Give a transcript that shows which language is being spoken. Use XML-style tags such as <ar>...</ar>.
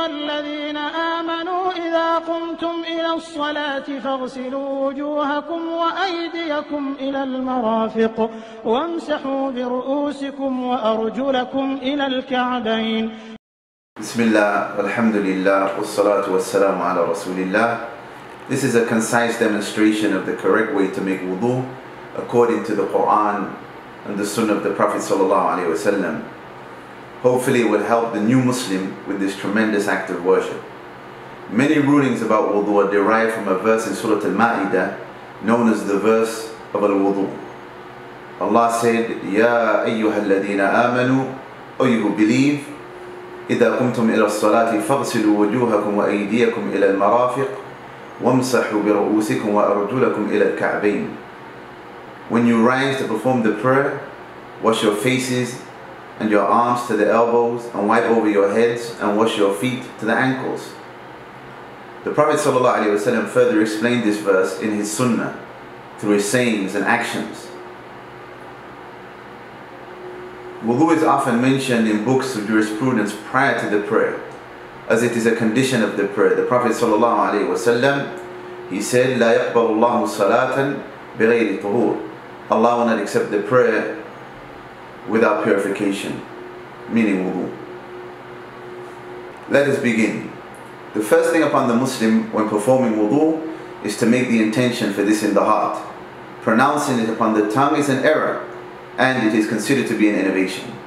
<ar>قمتم إلى الصلاة فاغسلوا وجوهكم وأيديكم إلى المرافق وامسحوا برؤوسكم وأرجلكم إلى الكعبين. بسم الله والحمد لله والصلاة والسلام على رسول الله.</ar> <en>This is a concise demonstration of the correct way to make wudu according to the Quran and the Sunnah of the Prophet sallallahu alaihi wasallam. Hopefully it will help the new Muslim with this tremendous act of worship. Many rulings about wudu are derived from a verse in Surah Al-Ma'idah known as the verse of Al-Wudu. Allah said,</en> <ar>Ya ayyuha alladhina amanu,</ar> <en>O you who believe,</en> <ar>إِذَا قُمْتُمْ إِلَى الصَّلَاةِ فَغْسِلُوا وُجُوهَكُمْ وَأَيْدِيَكُمْ إِلَى الْمَرَافِقِ وَامْسَحُوا بِرُؤُوسِكُمْ وَأَرْجُلَكُمْ إِلَى الْكَعْبَيْنِ.</ar> <en>When you rise to perform the prayer, wash your faces and your arms to the elbows and wipe over your heads and wash your feet to the ankles. The Prophet ﷺ further explained this verse in his Sunnah through his sayings and actions. Wudu is often mentioned in books of jurisprudence prior to the prayer, as it is a condition of the prayer. The Prophet ﷺ, he said,</en> <ar>لا يقبل الله صلاة بغير طهور.</ar> <en>Allah will not accept the prayer without purification, meaning wudu. Let us begin. The first thing upon the Muslim when performing wudu is to make the intention for this in the heart. Pronouncing it upon the tongue is an error, and it is considered to be an innovation.</en>